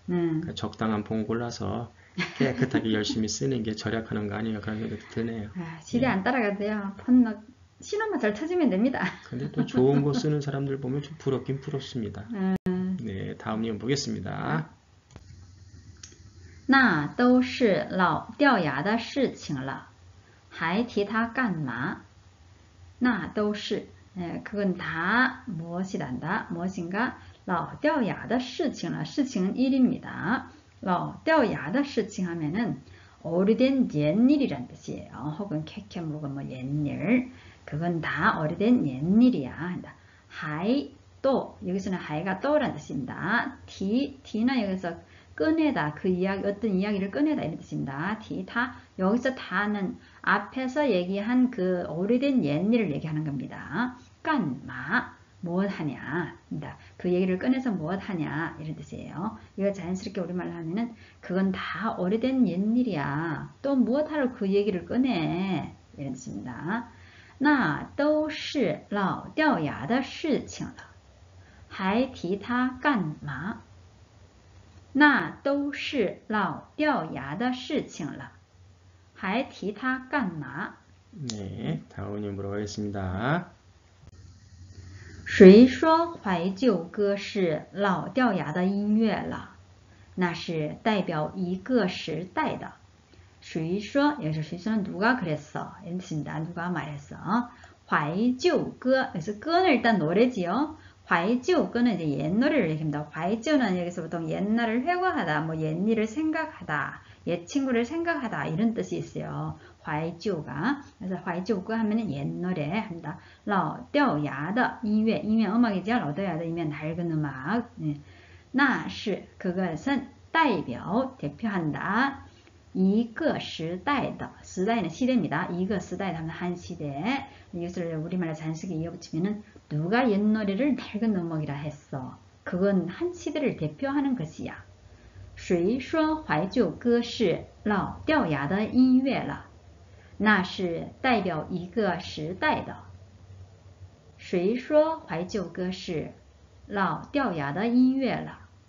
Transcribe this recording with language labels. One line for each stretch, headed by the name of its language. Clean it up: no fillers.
Korean: 그러니까 적당한 폰 골라서 깨끗하게 열심히 쓰는 게 절약하는 거 아닌가 그런 생각도 드네요. 아, 시대 안 따라가도 돼요. 폰, 신호만 잘 터지면 됩니다. 근데 또 좋은 거 쓰는 사람들 보면 좀 부럽긴 부럽습니다. 네, 다음 내용 보겠습니다.
Chinese: 那都是老掉牙的事情了，还提他干嘛？那都是，
Korean: 그건 다 무엇이란다, 무엇인가
Chinese: 老掉牙的事情了，
Korean: 事情일입니다。老掉牙的事情하면은 오래된 옛일이란 뜻이에요. 혹은 캐캐 묵은 뭐 옛일, 그건 다 오래된 옛일이야. 한다. 하이 또 여기서는 하이가 또란 뜻입니다. 티 티는 여기서 꺼내다, 그 이야기, 어떤 이야기를 꺼내다 이런 뜻입니다. 디타, 여기서 다는 앞에서 얘기한 그 오래된 옛일을 얘기하는 겁니다. 깐마, 무엇 하냐, 그 얘기를 꺼내서 무엇 하냐 이런 뜻이에요. 이거 자연스럽게 우리말로 하면은 그건 다 오래된 옛일이야. 또 무엇 하러 그 얘기를 꺼내 이런 뜻입니다.
Chinese: 나 都是 老掉牙的事情了, 还 디타 깐마. 那都是老掉牙的事情了，还提他干嘛？
Korean: 네, 다음 질문으로 가겠습니다.
Chinese: 谁说怀旧歌是老掉牙的音乐了？那是代表一个时代的。谁说？也是谁说？
Korean: 누가그랬어？ 이렇습니다。누가말했어？
Chinese: 怀旧歌，也是歌
Korean: 는일단노래지요。怀旧歌는 이제 옛노래를 얘기합니다. 怀旧는 여기서 보통 옛날을 회고하다, 뭐 옛일을 생각하다, 옛친구를 생각하다 이런 뜻이 있어요. 怀旧가. 그래서 怀旧歌 하면은 옛노래 합니다.
Chinese: 老掉牙的音乐, 音乐
Korean: 음악이죠.
Chinese: 老掉牙的音乐,
Korean: 낡은 음악. 네.
Chinese: 那是,
Korean: 그것은
Chinese: 代表,
Korean: 대표한다.
Chinese: 一个时代的,
Korean: 时代는 시대입니다.
Chinese: 一个时代,
Korean: 하면 한 시대. 이것을 우리말로 자연스럽게 이어붙이면은 누가 옛 노래를 낡은 음악이라 했어? 그건 한 시대를 대표하는 것이야.
Chinese: 谁说怀旧歌是老掉牙的音乐了？那是代表一个时代的。谁说怀旧歌是老掉牙的音乐了？